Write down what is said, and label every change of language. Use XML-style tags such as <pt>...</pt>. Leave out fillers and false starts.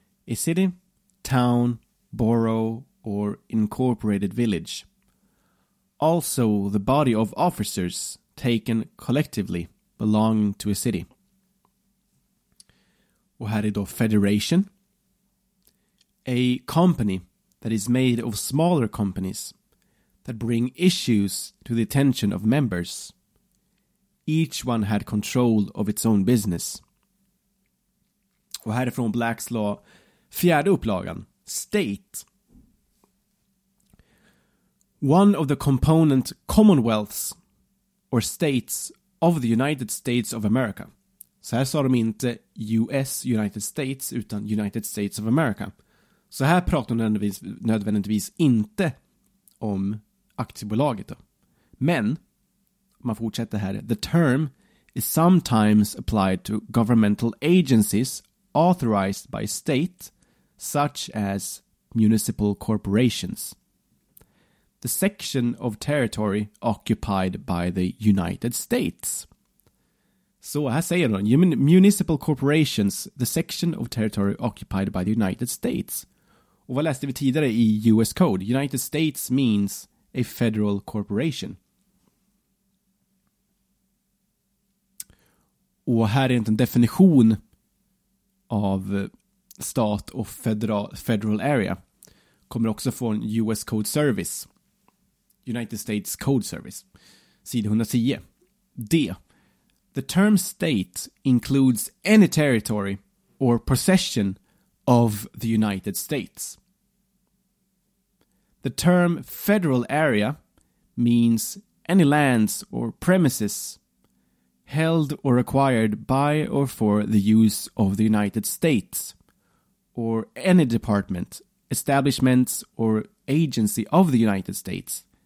<en>A city, town, borough, or incorporated village. Also the body of officers taken collectively belonging to a city.</en> <sv>Och här är då federation.</sv> <en>A company that is made of smaller companies that bring issues to the attention of members. Each one had control of its own business.</en> <sv>Och här är från Black's Law, fjärde upplagan, state.</sv> <en>One of the component commonwealths or states of the United States of America.</en> <sv>Så här sa de inte US, United States, utan United States of America. Så här pratar de nödvändigtvis inte om aktiebolaget då. Men, man fortsätter här,</sv> <en>the term is sometimes applied to governmental agencies authorized by state, such as municipal corporations. The section of territory occupied by the United States.</en> <sv>Så här säger de,</sv> <en>municipal corporations, the section of territory occupied by the United States.</en> <sv>Och vad läste vi tidigare i US Code?</sv> <en>United States means a federal corporation.</en> <sv>Och här är inte en definition av stat och federal area. Kommer också från US Code Service.</sv> <en>United States Code Service. Sida 110. D. The term state includes any territory or possession of the United States. The term federal area means any lands or premises held or acquired by or for the use of the United States or any department, establishments or agency of the United States.</en>